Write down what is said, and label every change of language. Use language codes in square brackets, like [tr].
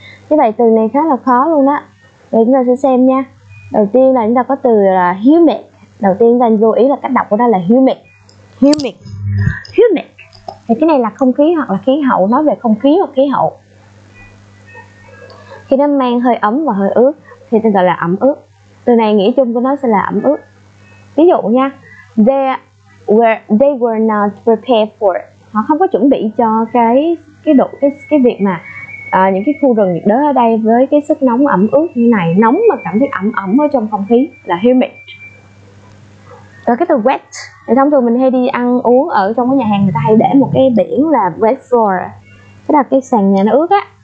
[vi] Như vậy từ này khá là khó luôn á. Để chúng ta sẽ xem nha. Đầu tiên là chúng ta có từ là humid. Đầu tiên chúng ta lưu ý là cách đọc của nó là humid. Humid. Humid. Thì cái này là không khí hoặc là khí hậu, nói về không khí hoặc khí hậu. Khi nó mang hơi ấm và hơi ướt thì ta gọi là ẩm ướt. Từ này nghĩa chung của nó sẽ là ẩm ướt. [en] Ví dụ nha, they were not prepared for it. [vi] Họ không có chuẩn bị cho cái việc mà những cái khu rừng nhiệt đới ở đây với cái sức nóng ẩm ướt như này, nóng mà cảm thấy ẩm ẩm ở trong không khí là humid. Rồi cái từ wet thì thông thường mình hay đi ăn uống ở trong cái nhà hàng, người ta hay để một cái biển là [en] wet floor, [vi] tức là cái sàn nhà nó ướt á.